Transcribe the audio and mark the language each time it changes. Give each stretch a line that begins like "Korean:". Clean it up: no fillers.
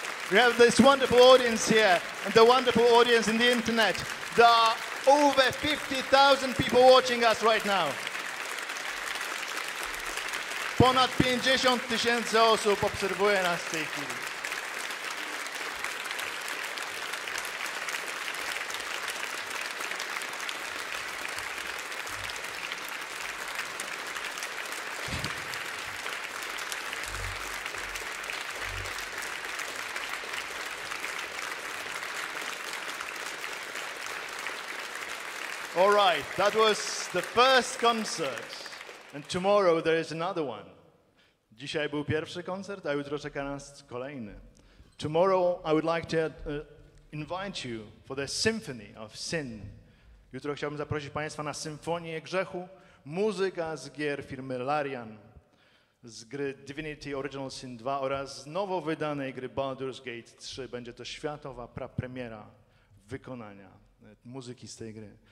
English: We have this wonderful audience here and the wonderful audience in the internet. There are over 50,000 people watching us right now.
Polish: Ponad 50 tysięcy osób obserwuje nas w tej chwili.
English: Right, that was the first concert, and tomorrow there is another one.
Polish: Dzisiaj był pierwszy koncert, a jutro czeka nas kolejny.
English: Tomorrow I would like to invite you for the symphony of sin.
Polish: Jutro chciałbym zaprosić państwa na symfonię grzechu, muzyka z gier firmy Larian, z gry Divinity Original Sin 2 oraz nowo wydanej gry Baldur's Gate 3. Będzie to światowa prapremiera wykonania muzyki z tej gry.